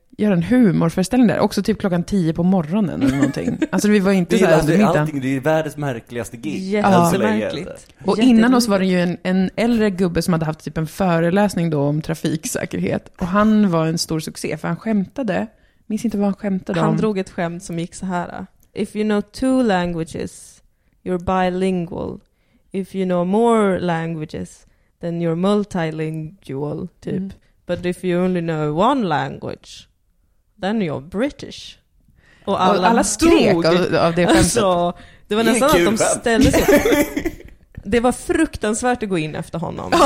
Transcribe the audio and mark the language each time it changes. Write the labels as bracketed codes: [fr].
[sv] göra en humorföreställning där. Också typ klockan 10 på morgonen eller någonting. Alltså vi var inte det är, så här, alltså, det är allting, det är världens märkligaste gig. Jättemärkligt. Och innan oss var det ju en äldre gubbe som hade haft typ en föreläsning då om trafiksäkerhet. Och han var en stor succé för han skämtade. Minns inte vad han skämtade han om. Han drog ett skämt som gick så här. [en] If you know two languages, you're bilingual. If you know more languages, then you're multilingual, typ. Mm. But if you only know one language, then you're British. [sv] Och alla skrek av det skämtet. Alltså, det var nästan att de ställde sig. Det var fruktansvärt att gå in efter honom.